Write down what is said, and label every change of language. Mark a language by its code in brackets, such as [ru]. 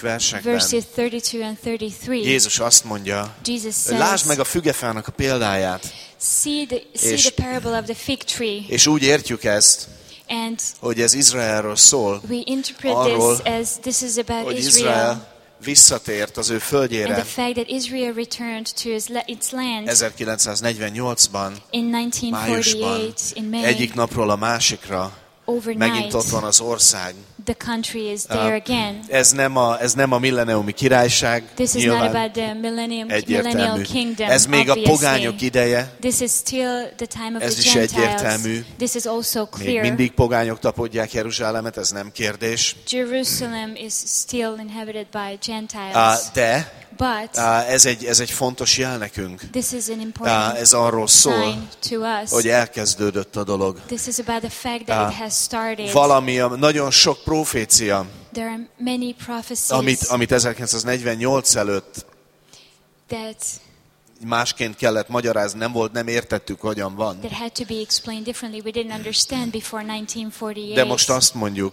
[hu] Versekben Jézus azt mondja, lásd meg a fügefának a példáját, [en] see the parable of the fig tree. [hu] És úgy értjük ezt, hogy ez Izraelről szól, [en] we interpret [hu] arról, [en] this is about [hu] hogy Izrael visszatért az ő földjére. [en] And the fact that Israel returned to its land. [hu] 1948-ban, [en] in 1948, in May, [hu] egyik napról a másikra, [en] overnight, [hu] megint ott van az ország. [en] The country is there again. [hu] Ez nem a milleniumi királyság. [en] This is not about the millennial kingdom. [hu] Ez még [en] obviously [hu] a pogányok ideje. [en] This is still the time of [hu] ez [en] the Gentiles. [hu] Ez is egyértelmű. [en] This is also clear. [hu] Még mindig pogányok tapodják Jeruzsálemet, ez nem kérdés. [en] Jerusalem is still inhabited by Gentiles. [hu] Ez egy fontos jel nekünk. Ez arról szól, hogy elkezdődött a dolog. [en] This is about the fact that it has started. [hu] Valami nagyon sok profécia, [en] there are many prophecies, [hu] amit 1948 előtt [en] that [hu] másként kellett magyarázni, nem értettük, hogyan van. [en] That had to be explained differently. We didn't understand before 1948. [hu] De most azt mondjuk,